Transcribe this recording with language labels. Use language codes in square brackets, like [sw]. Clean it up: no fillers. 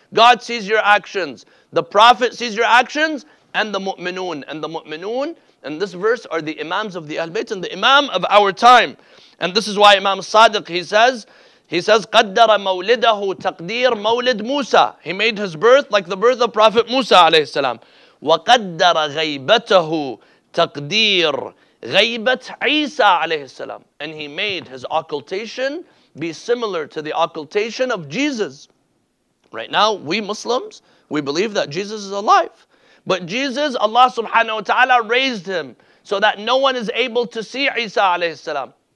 [en] God sees your actions. The Prophet sees your actions and the mu'minun. And the mu'minun in this verse are the imams of the Ahlbayt and the imam of our time. And this is why Imam Sadiq, he says, [ar] قَدَّرَ مَوْلِدَهُ تَقْدِيرَ مَوْلِدْ مُوسَى. [en] He made his birth like the birth of Prophet Musa alayhi salam. [ar] وَقَدَّرَ غَيْبَتَهُ تَقْدِيرَ غَيْبَتْ عِيسَى alayhi salam. [en] And he made his occultation be similar to the occultation of Jesus. Right now, we Muslims, we believe that Jesus is alive. But Jesus, Allah subhanahu wa ta'ala raised him so that no one is able to see Isa alayhi salam.